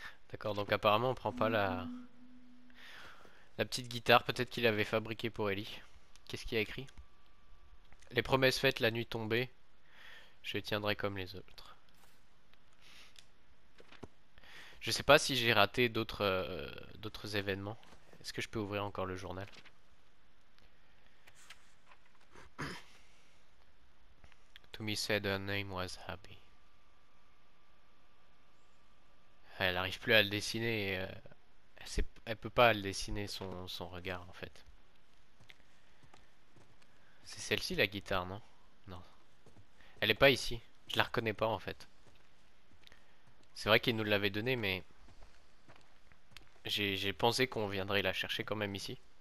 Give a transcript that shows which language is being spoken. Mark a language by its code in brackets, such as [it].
[fr] D'accord, donc apparemment on prend pas la petite guitare, peut-être qu'il avait fabriquée pour Ellie. Qu'est-ce qu'il a écrit? Les promesses faites, la nuit tombée, je les tiendrai comme les autres. Je sais pas si j'ai raté d'autres événements. Est-ce que je peux ouvrir encore le journal? [en] Tommy said her name was Abby. [fr] Elle n'arrive plus à le dessiner. Et elle peut pas le dessiner son regard en fait. C'est celle-ci la guitare, non? Non. Elle est pas ici. Je la reconnais pas en fait. C'est vrai qu'il nous l'avait donnée, mais j'ai pensé qu'on viendrait la chercher quand même ici.